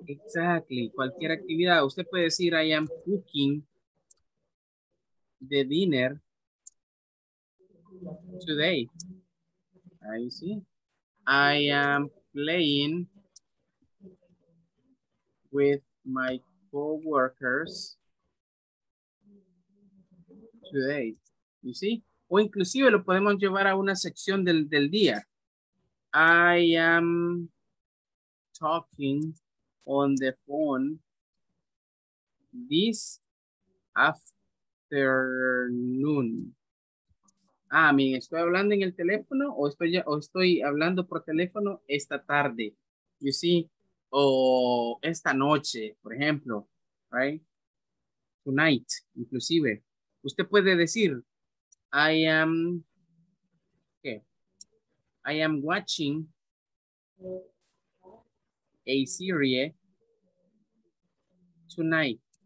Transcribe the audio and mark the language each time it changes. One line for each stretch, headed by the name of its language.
English: Exactly.
Spanish: Cualquier actividad. Usted puede decir,
English: I am cooking the dinner today.
Spanish: Ahí sí.
English: I am playing with my co-workers today. You see?
Spanish: O inclusive lo podemos llevar a una sección del día.
English: I am talking on the phone this afternoon.
Spanish: Ah, mi, estoy hablando en el teléfono o estoy hablando por teléfono esta tarde.
English: You see?
Spanish: O esta noche, por ejemplo. Right?
English: Tonight, inclusive.
Spanish: Usted puede decir,
English: I am watching a serie tonight.